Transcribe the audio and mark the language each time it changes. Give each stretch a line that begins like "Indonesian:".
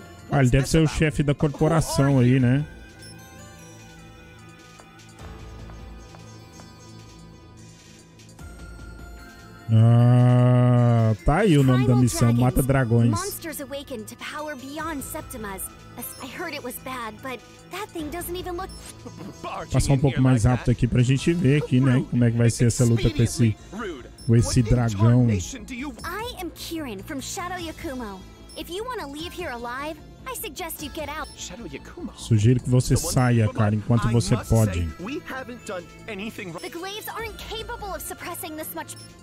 Portuguese: Ah, ele deve ser o chefe da corporação aí, né? Ah, tá aí o nome da missão, Mata Dragões.
English: Monsters awakened to power beyond Septimus. I heard it was bad, but that thing doesn't even look.
Portuguese: Passar um pouco mais rápido aqui pra gente ver aqui, né? Como é que vai ser essa luta com esse dragão.
English: I am Kirin from Shadow Yakumo. If you want to leave here alive, I suggest you get out.
Portuguese: Sugiro que você saia, cara, enquanto você pode.
English: The Glaives aren't capable of suppressing this much.